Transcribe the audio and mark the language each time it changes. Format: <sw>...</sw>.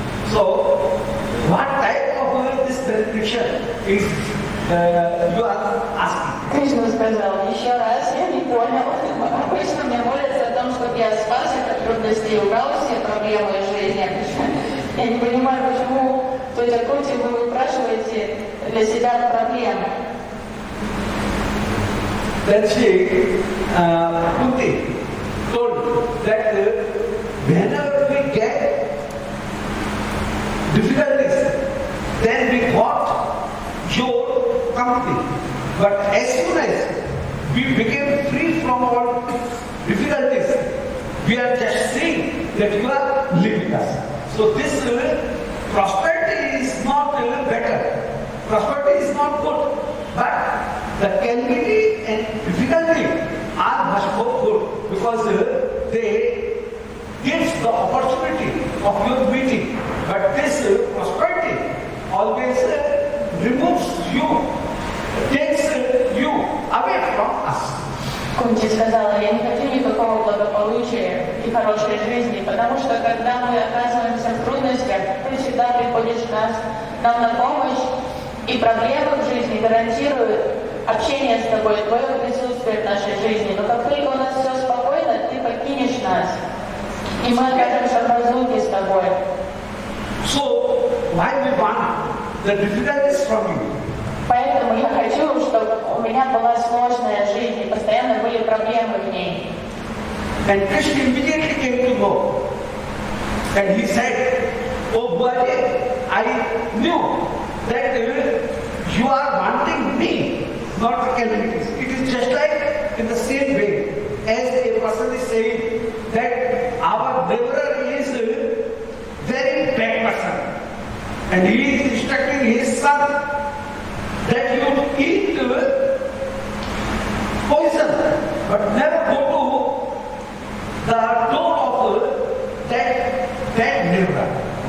<en>So, what type of this benediction is you are asking?</en> <ru>Krishna сказал, еще раз, я не понял. Krishna мне молится о том, чтобы я спас эти трудности и убрал все проблемы в жизни. Я не понимаю, почему в той такой вы выпрашиваете для себя проблем.</ru> <en>Then she, Kunti, told that whenever we get difficulties, then we got your company. But as soon as we became free from our difficulties, we are just seeing that you are leaving us. So this prosperity is not better. Prosperity is not good. But the calamity and difficulty are much more good because they give the opportunity of your meeting. But this prosperity always removes you, takes you away from us.</en> <ru>Кунти сказала, я не хочу никакого благополучия и хорошей жизни, потому что когда мы оказываемся в трудностях, ты всегда приходишь нам на помощь, и проблемы в жизни гарантируют общение с тобой, твое присутствие в нашей жизни. Но как только у нас все спокойно, ты покинешь нас. И мы окажемся в разлуке с тобой.</ru> <en>So, why we want the difficulties from you?</en> <ru>Поэтому я хочу, чтобы у меня была сложная жизнь, и постоянно были проблемы в ней.</ru> <en>And Krishna immediately came to know. And he said, oh, buddy, I knew that you are wanting me. Not the calamities. It is just like in the same way as a person is saying that our neighbor is a very bad person and he is instructing his son that you eat poison but never go to the door of that bad neighbor.</en>